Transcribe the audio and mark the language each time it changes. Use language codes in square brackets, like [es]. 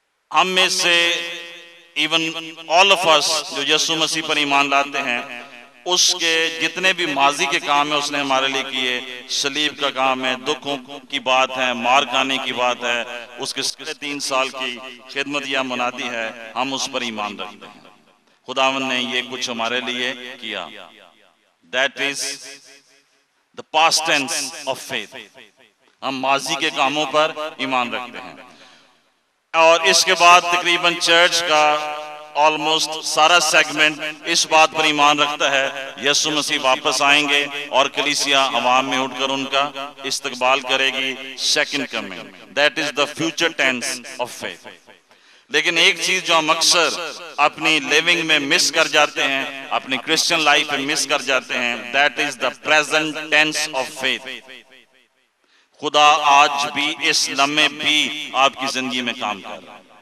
[ur] ہم میں سے [en] even all of us [ur] جو یسوع مسیح پر ایمان لاتے ہیں، اس کے جتنے بھی ماضی کے کام ہیں اس نے ہمارے لیے کیے، سلیب کا کام ہے، دکھوں کی بات ہے، مار کھانے کی بات ہے، اس کے 3 سال کی خدمت یا منادی ہے، ہم اس پر ایمان رکھتے ہیں. خداوند نے یہ کچھ ہمارے لیے کیا. [en] That is the past tense of faith. [ur] ہم ماضی کے کاموں پر ایمان رکھتے ہیں، اور اس کے بعد تقریباً چرچ کا آلموسٹ سارا سیگمنٹ اس بات پر ایمان رکھتا ہے یسوع مسیح واپس آئیں گے اور کلیسیا عوام میں اٹھ کر ان کا استقبال کرے گی، second coming. [en] That is the future tense of faith. [ur] لیکن ایک چیز جو ہم اکثر اپنی لیونگ میں مس کر جاتے ہیں، اپنی کرسچن لائف میں مس کر جاتے ہیں، [en] That is the present tense of faith. [ur] خدا آج بھی اس لمحے بھی آپ کی زندگی میں کام کر رہا ہے.